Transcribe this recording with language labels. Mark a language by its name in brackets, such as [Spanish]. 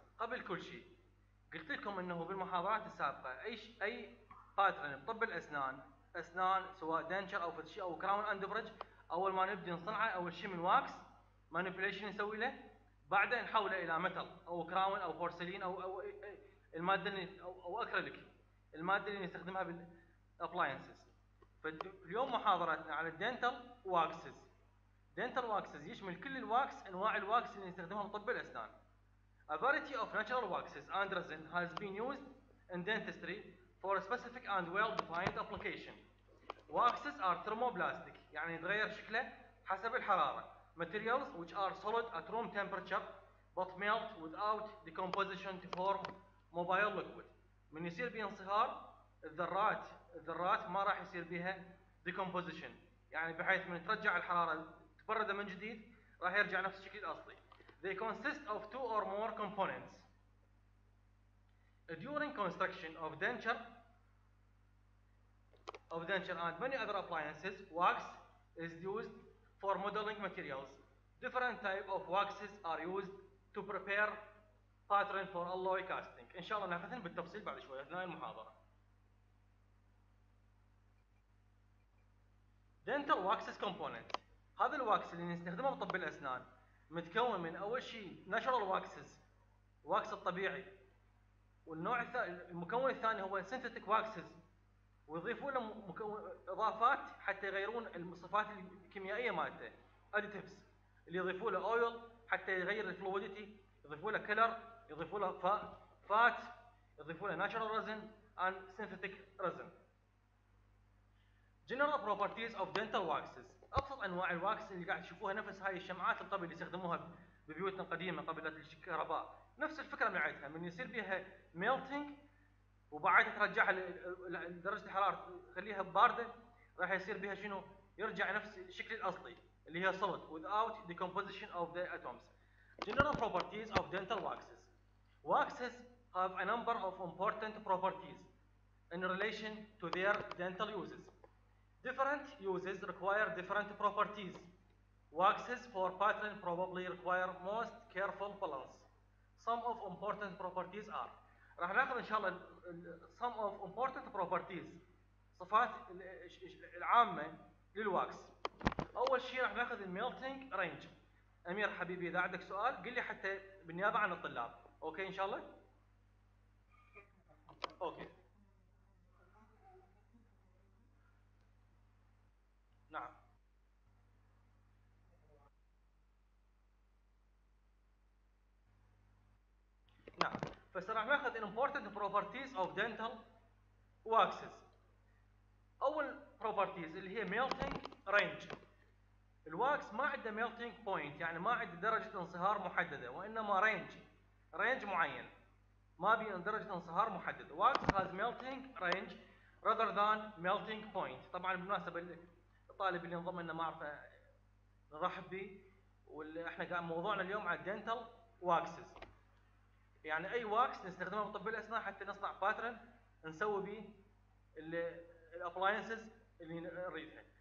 [Arabic] قبل كل شيء قلت لكم انه بالمحاضرات السابقه اي باترن بطب الاسنان، اسنان سواء دنشر او فتشي او كراون اندبرج، اول ما نبدي نصنعه اول شيء من واكس مانيبيليشن نسوي له، بعدين نحوله الى متل او كراون او بورسلين او الماده اللي او اكريليك الماده اللي نستخدمها بالابلاينسز. فاليوم محاضرتنا على الدنتال واكسز. دنتال واكسز يشمل كل الواكس، انواع الواكس اللي نستخدمها بطب الاسنان. [English] Variety of natural waxes, androzen, has been used in dentistry for a specific and well-defined application. Waxes are thermoplastic, [Arabic] يعني يتغير شكله حسب الحرارة. [English] Materials which are solid at room temperature but melt without decomposition to form mobile liquid. [Arabic] من يصير بيه انصهار الذرات ما راح يصير بيها decomposition، يعني بحيث من ترجع الحرارة تبرد من جديد راح يرجع نفس الشكل الأصلي. [English] They consist of two or more components. During construction of denture and many other appliances, wax is used for modeling materials. Different type of waxes are used to prepare pattern for alloy casting. [Arabic] إن شاء الله نأخذهم بالتفصيل بعد شوية أثناء المحاضرة. [English] Dental waxes component. [Arabic] هذا الواكس اللي نستخدمه بطب الأسنان متكون من اول شيء ناتشرال واكسز، واكس الطبيعي، والنوع المكون الثاني هو سينثيتك واكسز، ويضيفوا له اضافات حتى يغيرون الصفات الكيميائيه مالته، اديتيفز اللي يضيفوا له اويل حتى يغير الفلويديتي، يضيفوا له كلر، يضيفوا له فات، يضيفوا له ناتشرال رزن اند سينثيتك رزن. [English] General properties of dental waxes. [Arabic] أبسط أنواع الواكس اللي قاعد تشوفوها نفس هاي الشمعات الطبي اللي يستخدموها ببيوتنا القديمة قبل لا تشيك كهرباء، نفس الفكرة من عيدها، من يصير بيها melting وبعدها ترجعها لدرجة الحرارة خليها باردة راح يصير بيها شنو، يرجع نفس الشكل الأصلي اللي هي [English] solid without decomposition of the atoms. General properties of dental waxes. Waxes have a number of important properties in relation to their dental uses. Different uses require different properties. Waxes for pattern probably require most careful balance. Some of important properties are. [Arabic] راح ناخذ ان شاء الله [English] some of important properties. [Arabic] صفات العامة للواكس. اول شيء راح ناخذ melting range. امير حبيبي اذا عندك سؤال قل لي حتى بالنيابة عن الطلاب. اوكي ان شاء الله؟ اوكي. نعم. فسراح ناخذ [English] important properties of dental waxes. [Arabic] أول properties اللي هي melting range. الواكس ما عنده melting point، يعني ما عنده درجة انصهار محددة، وإنما range معين. ما بي درجة انصهار محددة. [English] Wax has melting range rather than melting point. [Arabic] طبعاً بالمناسبة الطالب اللي انضم لنا ما اعرفه نرحب به، واللي احنا قاعد موضوعنا اليوم على الدنتال واكسز، يعني اي واكس نستخدمه بطب الاسنان حتى نصنع باترن نسوي به الابلاينسز اللي نريدها.